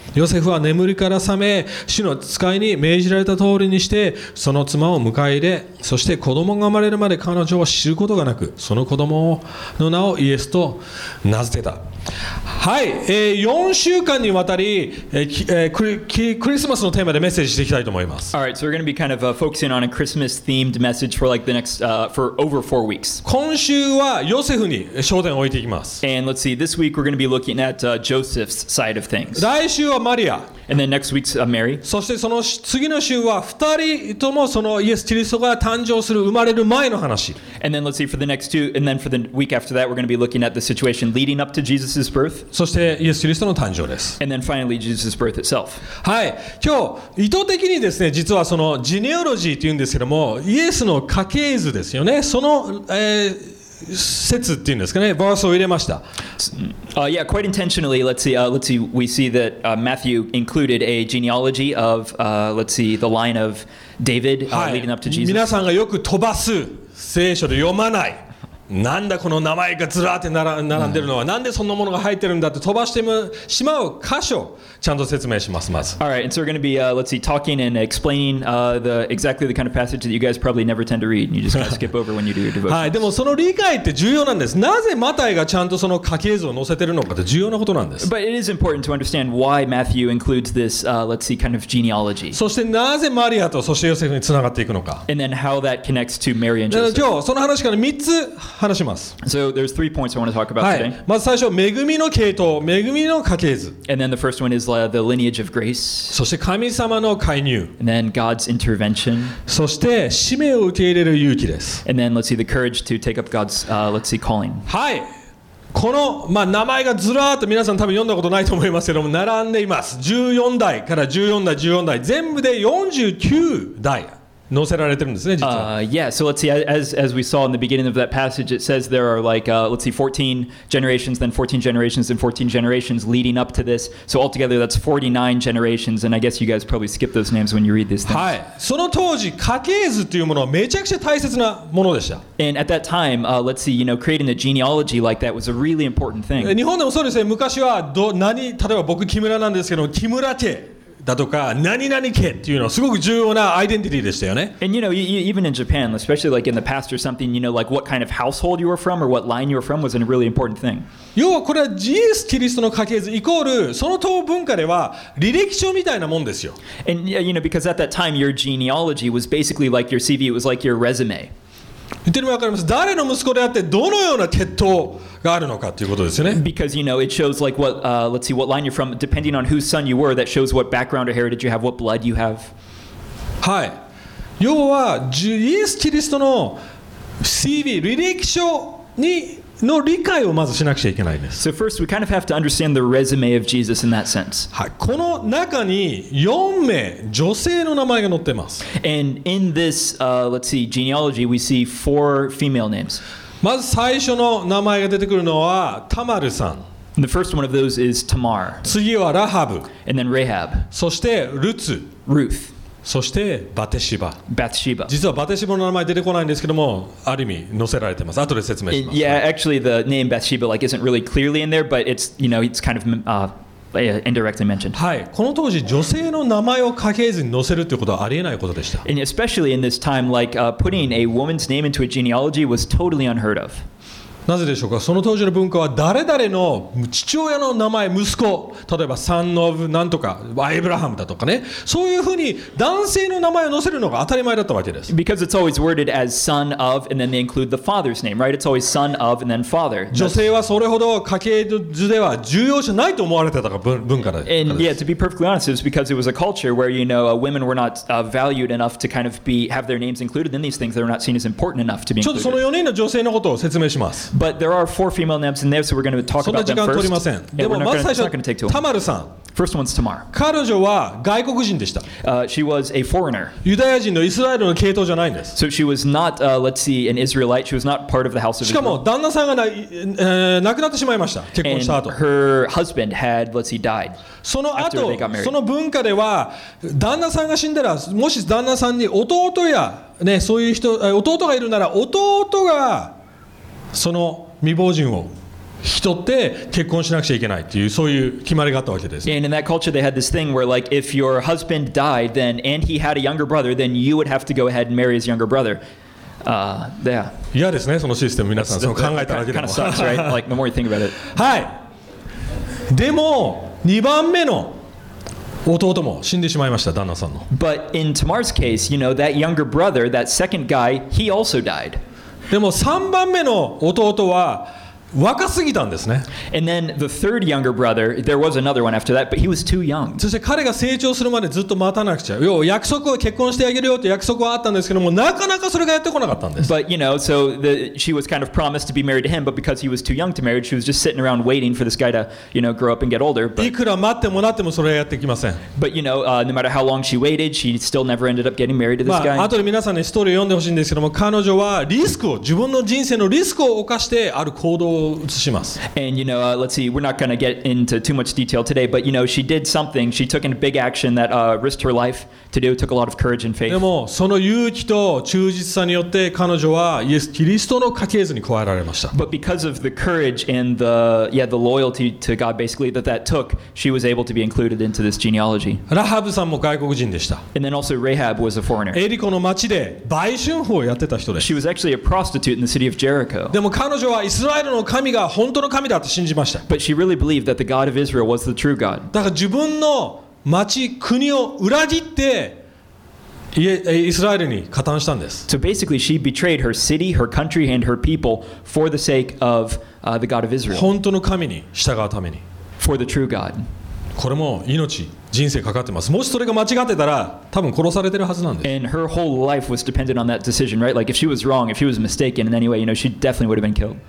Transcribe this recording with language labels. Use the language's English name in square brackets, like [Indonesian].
[Japanese] ヨセフは眠りから覚め、主の使いに命じられた通りにしてその妻を迎え入れ、そして子供が生まれるまで彼女を知ることがなく、その子供の名をイエスと名付けた。はい、4週間にわたり、クリスマスのテーマでメッセージしていきたいと思います。 [English] Alright, so we're going to be kind of focusing on a Christmas themed message for like the next, for over 4 weeks. [Japanese] 今週はヨセフに焦点を置いていきます。 [English] And let's see, this week we're going to be looking at Joseph's side of things. [Japanese] 来週はマリア。 [English] And then next week's Mary. [Japanese] そしてその次の週は2人ともそのイエス・キリストが誕生する、生まれる前の話。 [English] And then let's see, for the next two, and then for the week after that, we're going to be looking at the situation leading up to Jesus. Birth. [Japanese] そしてイエス・キリストの誕生です。 [English] And then finally, Jesus' birth itself. [Japanese] はい、今日意図的にですね、実はそのジネオロジーというんですけども、イエスの家系図ですよね、その、説っていうんですかね、バースを入れました。 [English] Yeah, quite intentionally. Let's see. We see that Matthew included a genealogy of let's see, the line of David、はい、leading up to Jesus. [Japanese] 皆さんがよく飛ばす聖書で読まない、なんだこの名前がずらって並んでるのは、なんでそんなものが入ってるんだって飛ばしてしまう箇所、ちゃんと説明します、まず。 [English] Alright, and so we're going to be, let's see, talking and explaining exactly the kind of passage that you guys probably never tend to read, and you just kind of skip over when you do your devotions. [Japanese] はい、でもその理解って重要なんです。なぜマタイがちゃんとその家系図を載せてるのかって重要なことなんです。 [English] But it is important to understand why Matthew includes this, let's see, kind of genealogy. [Japanese] そしてなぜマリアとそしてヨセフにつながっていくのか。 [English] And then how that connects to Mary and Joseph. [Japanese] 今日その話から3つ話します。 [English] So there's three points I want to talk about today. [Japanese] まず最初、恵みの系統、恵みの家系図。 [English] And then the first one isthe lineage of grace. [Japanese] そして神様の介入。 [English] And then God's intervention. [Japanese] そして使命を受け入れる勇気です。 [English] And then let's see the courage to take up God's, let's see, calling. [Japanese] はい。この、まあ、名前がずらーっと皆さん多分読んだことないと思いますけども、並んでいます。14代から14代、14代、全部で49代。載せられてるんですね、実は。 [English] Yeah, so let's see, as we saw in the beginning of that passage, it says there are like, let's see, 14 generations, then 14 generations, and 14 generations leading up to this. So altogether, that's 49 generations, and I guess you guys probably skip those names when you read these things. [Japanese] はい。その当時、家系図というものはめちゃくちゃ大切なものでした。 [English] And at that time, let's see, you know, creating a genealogy like that was a really important thing. [Japanese] 日本でもそうですね。昔は何、例えば僕、木村なんですけど、木村家。だとか何々家っていうのはすごく重要なアイデンティティでしたよね。 [English] And you know, even in Japan, especially like in the past or something, you know, like what kind of household you were from or what line you were from was a really important thing. [Japanese] 要はこれはイエス・キリストの家系図イコールその当文化では履歴書みたいなもんですよ。 [English] And you know, because at that time your genealogy was basically like your CV, it was like your resume. [Japanese] 言ってるのは分かります。誰の息子であってどのような血統があるのかということですよね。 [English] Because you know it shows like what, let's see, what line you're from. Depending on whose son you were, that shows what background or heritage you have, what blood you have. [Japanese] はい。要はイエス・キリストの CV 履歴書にの理解をまずしなくちゃいけないんです。 [English] So first, we kind of have to understand the resume of Jesus in that sense. [Japanese] はい。この中に4名女性の名前が載ってます。 [English] And in this, let's see, genealogy, we see 4 female names. [Japanese] まず最初の名前が出てくるのはタマルさん。 [English] The first one of those is Tamar. [Japanese] 次はラハブ。 [English] And then Rahab. [Japanese] そしてルツ。 [English] Ruth. [Japanese] そしてバテシバ。 [English] Bathsheba. [Japanese] 実はバテシバの名前出てこないんですけども、ある意味載せられてます。後で説明します。 [English] Yeah, actually the name Bathsheba like isn't really clearly in there, but it's, you know, it's kind of, indirectly mentioned. [Japanese] はい、この当時女性の名前を家系図に載せるということはありえないことでした。 [English] And especially in this time, like, putting a woman's name into a genealogy was totally unheard of. [Japanese] なぜでしょうか。その当時の文化は誰々の父親の名前、息子、例えばサンオブなんとか、アイブラハムだとかね、そういうふうに男性の名前を載せるのが当たり前だったわけです。 [English] Because it's always worded as son of, and then they include the father's name, right? It's always son of, and then father. [Japanese] 女性はそれほど家系図では重要じゃないと思われてたか文化だ。 [English] And yeah, to be perfectly honest, it was because it was a culture where, you know, women were not valued enough to kind of be, have their names included in these things. They were not seen as important enough to be included. [Japanese] ちょっとその4人の女性のことを説明します。 [English] But there are four female names in there, so we're going to talk about them first. [Japanese] そんな時間取りません。でもまず最初、 [English] take too long. [Japanese] タマルさん。 [English] First one's Tamar. [Japanese] 彼女は外国人でした。 [English] She was a foreigner. [Japanese] ユダヤ人のイスラエルの系統じゃないんです。 [English] So she was not, let's see, an Israelite. She was not part of the house of Israel. [Japanese] しかも旦那さんが亡くなってしまいました。結婚した後。 [English] And her husband had, let's see, died. [Japanese] その後、その文化では旦那さんが死んだら、もし旦那さんに弟やね、そういう人、弟がいるなら弟がその未亡人を引き取って結婚しなくちゃいけないっていうそういう決まりがあったわけです。 [English] And in that culture, they had this thing where, like, if your husband died, then and he had a younger brother, then you would have to go ahead and marry his younger brother. Yeah. [Japanese] 嫌ですね、そのシステム皆さん。その考えただけでも。 [English] Kind of sucks, right? Like the more you think about it. [Japanese] はい。でも2番目の弟も死んでしまいました、旦那さんの。 [English] But in Tamar's case, you know, that younger brother, that second guy, he also died. [Japanese] でも3番目の弟は若すぎたんですね。 [English] And then the third younger brother, there was another one after that, but he was too young. [Japanese] そして彼が成長するまでずっと待たなくちゃ。要は約束を結婚してあげるよって約束はあったんですけども、なかなかそれがやってこなかったんです。 [English] But you know, so the, she was kind of promised to be married to him, but because he was too young to marry, she was just sitting around waiting for this guy to, you know, grow up and get older. But, [Japanese] いくら待ってもなってもそれはやってきません。 [English] But you know, no matter how long she waited, she still never ended up getting married to this guy. [Japanese] まあ後で皆さんにストーリーを読んでほしいんですけども、彼女はリスクを自分の人生のリスクを犯してある行動を [English] And you know, let's see, we're not going to get into too much detail today, but you know, she did something. She took a big action that risked her life to do. It took a lot of courage and faith. [Japanese] でもその勇気と忠実さによって彼女はイエス・キリストの家系図に加えられました。 [English] But because of the courage and the, yeah, the loyalty to God basically that that took, she was able to be included into this genealogy. [Japanese] ラハブさんも外国人でした。 [English] And then also Rahab was a foreigner. [Japanese] エリコの町で売春婦をやってた人です。 [English] She was actually a prostitute in the city of Jericho. [Japanese] でも彼女はイスラエルの神が本当の神だと信じました。 [English] But she really believed that the God of Israel was the true God. [Japanese] だから自分の町、国を裏切ってイスラエルに加担したんです。 [English] So basically she betrayed her city, her country, and her people for the sake of the God of Israel. [Japanese] 本当の神に従うために。 [English] For the true God. [Japanese] これも命、人生かかってます。もしそれが間違ってたら、多分殺されてるはずなんです。 [English] And her whole life was dependent on that decision, right? Like if she was wrong, if she was mistaken in any way, you know, she definitely would have been killed.